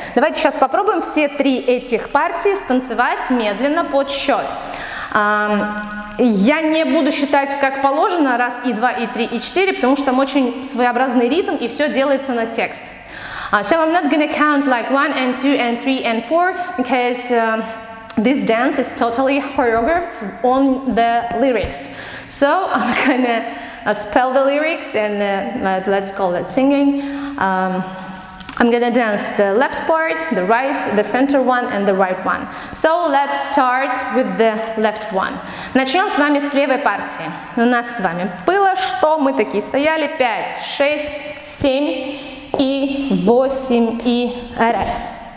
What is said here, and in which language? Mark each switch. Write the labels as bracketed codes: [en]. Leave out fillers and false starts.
[ru] Давайте сейчас попробуем все три этих партии станцевать медленно под счет. Я не буду считать как положено, раз, и два, и три, и четыре, потому что там очень своеобразный ритм, и все делается на текст. [en] So I'm not gonna count like one, and two, and three, and four, because this dance is totally choreographed on the lyrics. So I'm gonna spell the lyrics, and let's call that singing. I'm gonna dance the left part, the right, the center one, and the right one. So let's start with the left one. [ru] Начнем с вами с левой партии. У нас с вами было, что мы такие стояли, 5, 6, 7 и 8 и раз.